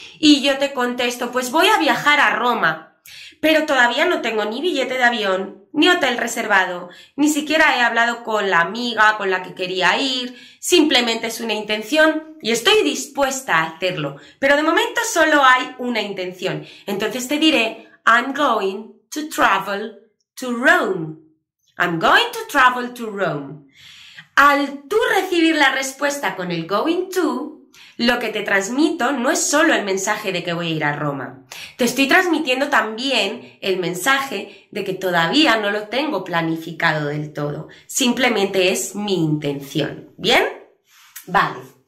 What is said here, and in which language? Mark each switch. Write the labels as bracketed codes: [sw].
[es] Y yo te contesto, pues voy a viajar a Roma, pero todavía no tengo ni billete de avión, ni hotel reservado, ni siquiera he hablado con la amiga con la que quería ir, simplemente es una intención y estoy dispuesta a hacerlo. Pero de momento solo hay una intención. Entonces te diré, [en] I'm going to travel to Rome. I'm going to travel to Rome. [es] Al tú recibir la respuesta con el going to, lo que te transmito no es solo el mensaje de que voy a ir a Roma. Te estoy transmitiendo también el mensaje de que todavía no lo tengo planificado del todo. Simplemente es mi intención. ¿Bien? Vale.